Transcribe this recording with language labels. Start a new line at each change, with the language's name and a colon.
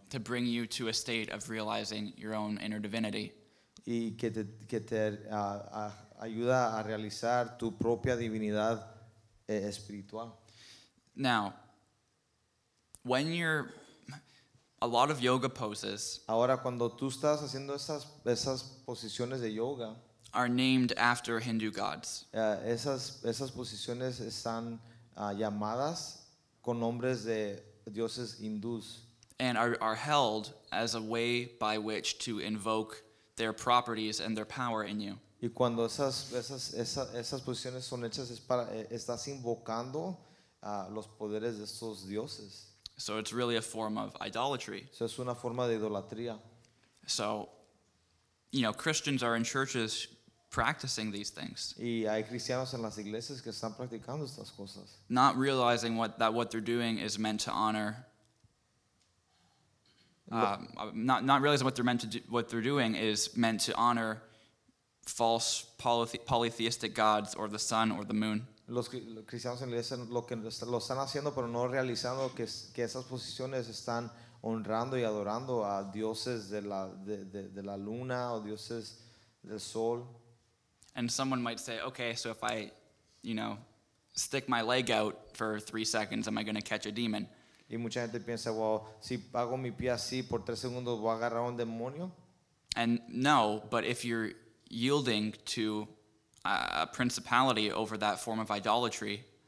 English: To bring you to a state of realizing your own inner divinity.
Spanish: Y que te ayuda a realizar tu propia divinidad espiritual.
English: Now, when you're a lot of yoga poses,
Spanish: ahora cuando tú estás haciendo esas posiciones de yoga,
English: are named after Hindu gods.
Spanish: Esas posiciones están llamadas con nombres de dioses hindús.
English: And are held as a way by which to invoke their properties and their power in you.
Spanish: Y cuando esas posiciones son hechas es para estás invocando los poderes de estos dioses.
English: So it's really a form of idolatry.
Spanish: So es una forma de idolatría.
English: So, you know, Christians are in churches practicing these things.
Spanish: Y hay cristianos en las iglesias que están practicando estas cosas.
English: Not realizing what they're doing is meant to honor. Not realizing what they're doing is meant to honor false polytheistic gods or the sun or the moon.
Spanish: Los cristianos en la iglesia lo están haciendo, pero no realizando que esas posiciones están honrando y adorando a dioses de la de la luna o dioses del sol.
English: And someone might say, okay, so if I, you know, stick my leg out for 3 seconds, am I going to catch a demon?
Spanish: Y mucha gente piensa, well, si pago mi pie así por 3 segundos, ¿voy a agarrar un demonio?
English: And no, but if you're yielding to a principality over that form of idolatry.